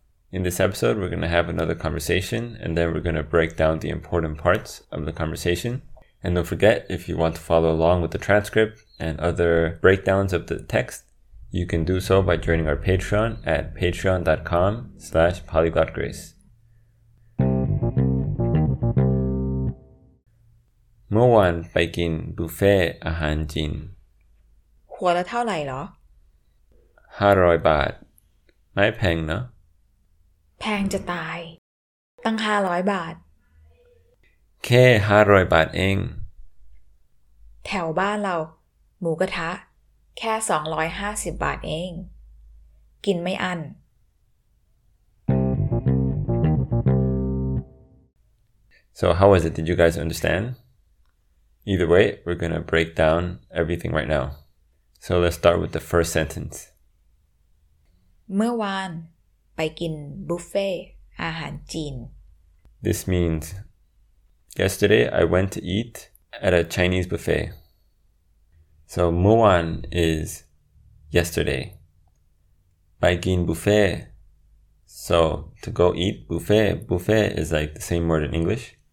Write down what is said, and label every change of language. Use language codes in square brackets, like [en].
[en] In this episode, we're going to have another conversation, and then we're going to break down the important parts of the conversation. And don't forget, if you want to follow along with the transcript and other breakdowns of the text, you can do so by joining our Patreon at patreon.com/polyglotgrace. [th] เมื่อวานไปกินบุฟเฟ่อาหารจีน หัวละเท่าไหร่เหร อ500 บาทไม่แพงเนาะ แพงจะตายตั้ง500 บาท แค่500 บาทเอง แถวบ้านเราหมูกระทะแค่250 บาทเองกินไม่อั้น [en] So how was it? Did you guys understand? Either way, we're gonna break down everything right now. So let's start with the first sentence. [th] เมื่อวานไปกินบุฟเฟ่อาหารจีน [en] This means yesterday I went to eat at a Chinese buffet. So เมื่อวาน is yesterday. [th] ไปกินบุฟเฟ่ [en] So to go eat buffet, buffet is like the same word in English.